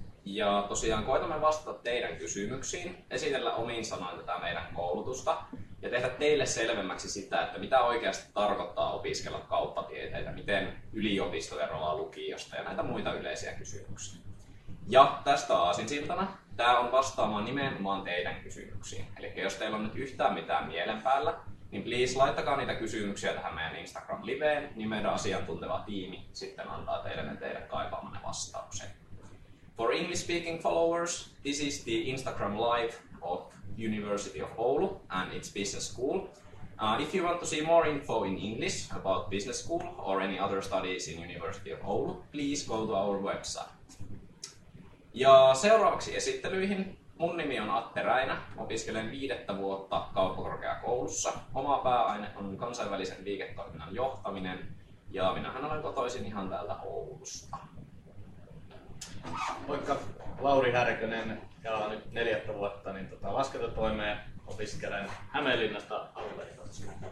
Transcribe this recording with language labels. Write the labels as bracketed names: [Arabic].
[Finnish] Ja tosiaan koitamme vastata teidän kysymyksiin, esitellä omiin sanoin tätä meidän koulutusta ja tehdä teille selvemmäksi sitä, että mitä oikeasti tarkoittaa opiskella kauppatieteitä, miten yliopisto eroaa lukiosta ja näitä muita yleisiä kysymyksiä. Ja tästä aasinsiltana tämä on vastaamaan nimenomaan teidän kysymyksiin. Eli jos teillä on nyt yhtään mitään mielen päällä, niin please laittakaa niitä kysymyksiä tähän meidän Instagram-liveen, niin meidän asiantunteva tiimi sitten antaa teille ne teidän kaipaamanne vastaukset. [English] For English-speaking followers, this is the Instagram Live of University of Oulu and its business school. If you want to see more info in English about business school or any other studies in University of Oulu, please go to our website. [Finnish] Ja seuraavaksi esittelyihin. Mun nimi on Atte Räinä. Opiskelen 5. vuotta kauppakorkeakoulussa. Oma pääaine on kansainvälisen liiketoiminnan johtaminen. Ja minähän olen kotoisin ihan täältä Oulusta. Moikka, Lauri Härkönen, ja olen nyt 4. vuotta niin laskentatoimeen opiskelen Hämeenlinnasta aluehtoisesti.